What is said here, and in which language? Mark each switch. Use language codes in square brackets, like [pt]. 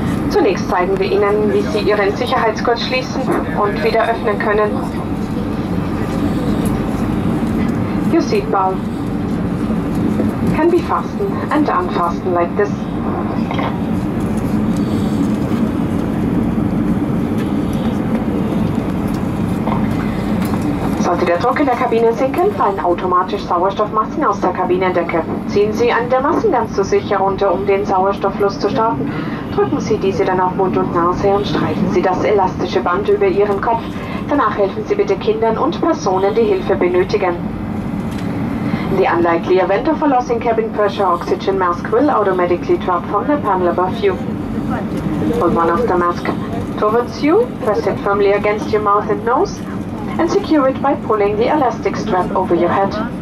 [de] Zunächst zeigen wir Ihnen, wie Sie Ihren Sicherheitsgurt schließen und wieder öffnen können. [en] Your seatbelt can be fastened and unfastened like this. [de] Sollte der Druck in der Kabine sinken, fallen automatisch Sauerstoffmasken aus der Kabinendecke. Ziehen Sie an der Maskenganze zu sich herunter, um den Sauerstofffluss zu starten. Drücken Sie diese dann auf Mund und Nase und streichen Sie das elastische Band über Ihren Kopf. Danach helfen Sie bitte Kindern und Personen, die Hilfe benötigen. [en] The unlikely event of a loss in cabin pressure, oxygen mask will automatically drop from the panel above you. Pull one of the mask towards you, press it firmly against your mouth and nose, and secure it by pulling the elastic strap over your head.